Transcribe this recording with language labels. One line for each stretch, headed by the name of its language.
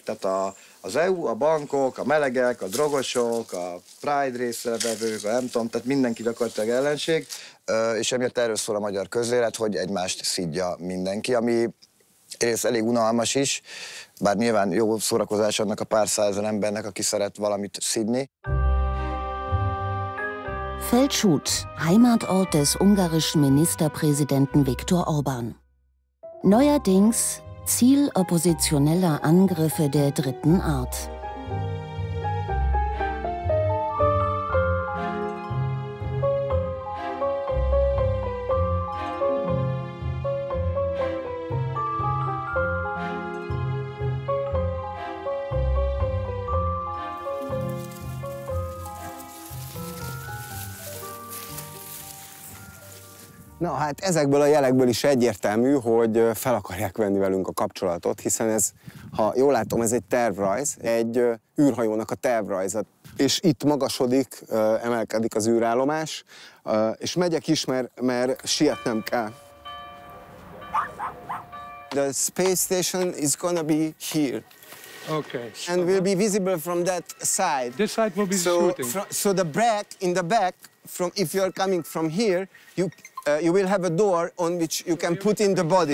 Hungarian: Tehát az EU, a bankok, a melegek, a drogosok, a Pride részrevevők, nem tudom, tehát mindenki gyakorlatilag ellenség, és emiatt erről szól a magyar közélet, hogy egymást szidja mindenki, ami egyrészt elég unalmas is, bár nyilván jó szórakozás annak a pár százan embernek, aki szeret valamit szidni.
German: Feldschut, Heimatort des ungarischen Ministerpräsidenten Viktor Orbán. Neuerdings Ziel oppositioneller Angriffe der dritten Art.
Hungarian: Na hát ezekből a jelekből is egyértelmű, hogy fel akarják venni velünk a kapcsolatot, hiszen ez, ha jól látom, ez egy tervrajz, egy űrhajónak a tervrajza. És itt magasodik, emelkedik az űrállomás, és megyek is, mert sietnem kell.
English: The space station is gonna be here. Okay. And will be visible from that side. This side will be so, shooting. So the back, in the back, from if you're coming from here, you will have a door on which you can put in the body.